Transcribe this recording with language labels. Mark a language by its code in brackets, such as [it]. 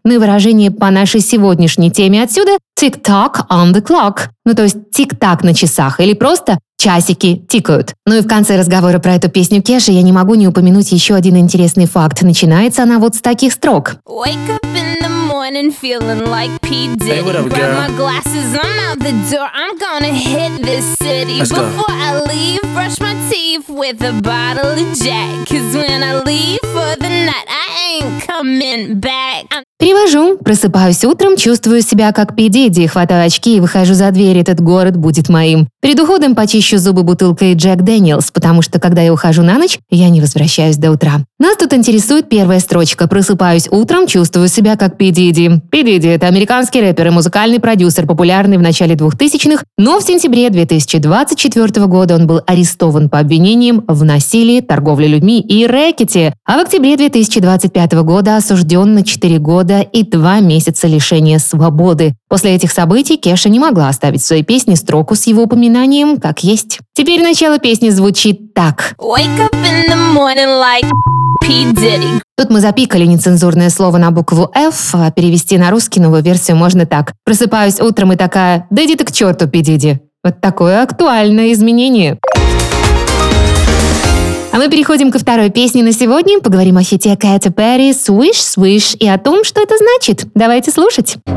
[ru] Ну и выражение по нашей сегодняшней теме отсюда. [en] Tick-tock on the clock. [ru] Ну то есть тик-так на часах. Или просто часики тикают. Ну и в конце разговора про эту песню Кеши я не могу не упомянуть еще один интересный факт. Начинается она вот с таких строк. [en] Wake up in the morning feeling like P. Diddy. Hey, what up, girl? Grab my glasses, I'm out the door. I'm gonna hit this city. Let's go. Before I leave, brush my teeth with a bottle of Jack. Cause when I leave for the night, I ain't coming back. I'm [ru] Перевожу. Просыпаюсь утром, чувствую себя как P. Diddy, хватаю очки и выхожу за дверь, этот город будет моим. Перед уходом почищу зубы бутылкой Jack Daniels, потому что когда я ухожу на ночь, я не возвращаюсь до утра. Нас тут интересует первая строчка. Просыпаюсь утром, чувствую себя как P. Diddy. P. Diddy – это американский рэпер и музыкальный продюсер, популярный в начале 2000-х, но в сентябре 2024 года он был арестован по обвинениям в насилии, торговле людьми и рэкете, а в октябре 2025 года осужден на 4 года и 2 месяца лишения свободы. После этих событий Кеша не могла оставить в своей песне строку с его упоминанием «как есть». Теперь начало песни звучит так. [en] Wake up in the morning like P. Diddy. [ru] Тут мы запикали нецензурное слово на букву F, а перевести на русский новую версию можно так. Просыпаюсь утром и такая «Да иди ты к черту, P. Diddy». Вот такое актуальное изменение. А мы переходим ко второй песне на сегодня. Поговорим о хите Кэти Перри «Swish, Swish» и о том, что это значит. Давайте слушать.